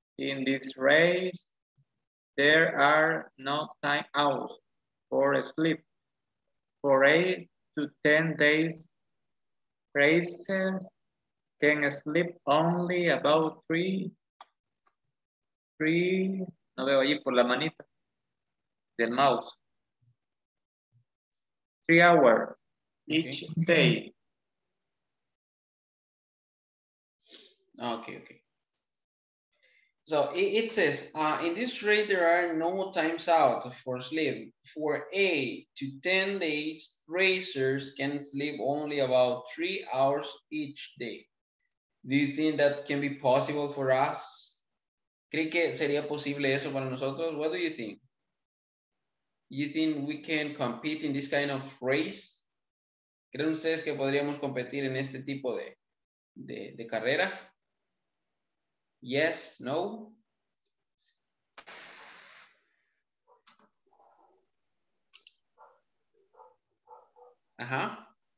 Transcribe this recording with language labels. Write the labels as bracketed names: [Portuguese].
[English] In this race, there are no time out for sleep. For 8 to 10 days, races can sleep only about three. [Spanish] No veo allí por la manita del mouse. [English] 3 hours each day. Okay. So it says, in this race, there are no times out for sleep. For 8 to 10 days, racers can sleep only about 3 hours each day. Do you think that can be possible for us? [Spanish] ¿Cree que sería posible eso para nosotros? [English] What do you think? You think we can compete in this kind of race? [Spanish] ¿Creen ustedes que podríamos competir en este tipo de carrera? [English] Yes, no? Ajá.